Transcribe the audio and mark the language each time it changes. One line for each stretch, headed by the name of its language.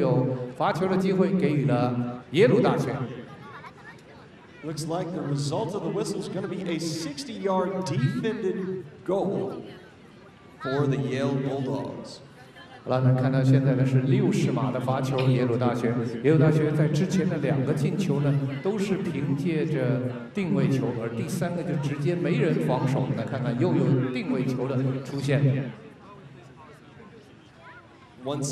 Chinese: 这边呢又是出现在路线选择当中出现有犯规了，因为有些时候在这种急转或者是出现一个球重新产生了路线的时候，选择权会出现一定的问题。那这个问题呢，就是觉得自己都觉得自己是有利，但是裁判认为你犯规，所以呢这个球呢又形成了一个罚球。这次呢是又有罚球的机会给予了耶鲁大学。
English: Looks like the result of the whistle is going to be a 60-yard defended goal for the Yale Bulldogs.
Chinese: 好了，那看到现在呢是60码的罚球，耶鲁大学。耶鲁大学在之前的两个进球呢，都是凭借着定位球，而第三个就直接没人防守。那看看又有定位球的出现。Once